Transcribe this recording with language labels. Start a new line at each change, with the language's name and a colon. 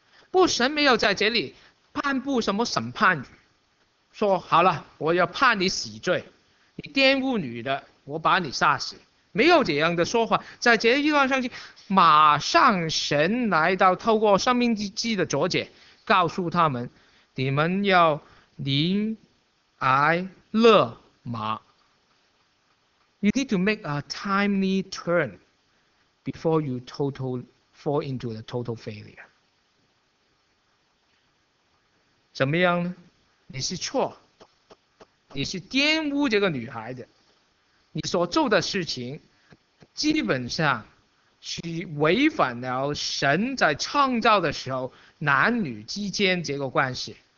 Chinese: 不，神没有在这里颁布什么审判语，说好了，我要判你死罪，你玷污女的，我把你杀死。没有这样的说法，在这一段圣经，马上神来到，透过生命记的作者，告诉他们，你们要怜爱勒马。
English: You need to make a timely turn before you totally fall into the total failure.
Chinese: 怎么样呢？你是错，你是玷污这个女孩的，你所做的事情。基本上是违反了神在创造的时候男女之间这个关系。